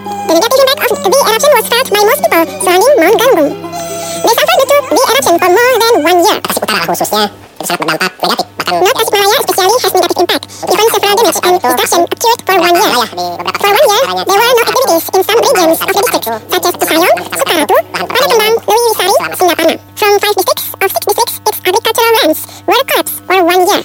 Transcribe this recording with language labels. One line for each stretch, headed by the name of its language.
English: The radiation back of the eruption was felt by most people surrounding Mount Galunggung. They suffered due to the eruption for more than 1 year.
Indonesian: Pasik Utara khususnya, itu sangat berdampak negatif.
English: North Tasikmalaya especially has negative impact. Even several damage and destruction occurred for 1 year. For 1 year, there were no activities in some regions of the district, such as Cikarang, Sukaratu, Pada Kembang, Lewi Wisari, Singapana. From 5 districts of 6 districts, its agricultural lands were collapsed for 1 year.